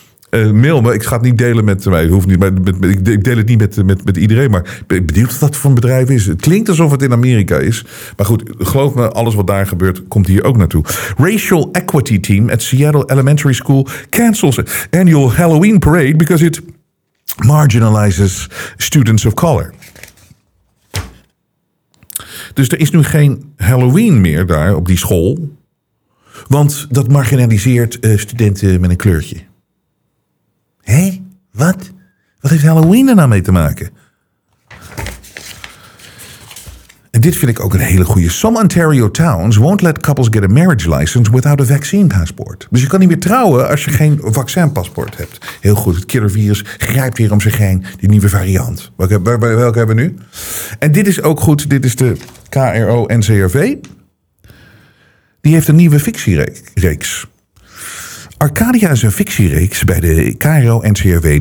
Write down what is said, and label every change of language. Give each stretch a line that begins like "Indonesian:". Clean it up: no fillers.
Dutch: Mail me, ik ga het niet delen met mij. Hoeft niet, maar ik deel het niet met iedereen. Maar ik benieuwd wat dat voor een bedrijf is. Het klinkt alsof het in Amerika is. Maar goed, geloof me, alles wat daar gebeurt, komt hier ook naartoe.
English: Racial Equity Team at Seattle Elementary School cancels annual Halloween parade because it marginalizes students of color.
Dutch: Dus er is nu geen Halloween meer daar op die school. Want dat marginaliseert studenten met een kleurtje. Hé? Wat? Wat heeft Halloween er nou mee te maken? En dit vind ik ook een hele goeie.
English: Some Ontario towns won't let couples get a marriage license without a vaccine passport.
Dutch: Dus je kan niet meer trouwen als je geen vaccinpaspoort hebt. Heel goed, het killervirus grijpt weer om zich heen. Die nieuwe variant. Welke hebben we nu? En dit is ook goed, dit is de KRO-NCRV. Die heeft een nieuwe fictiereeks. Arcadia is een fictiereeks bij de KRO-NCRW.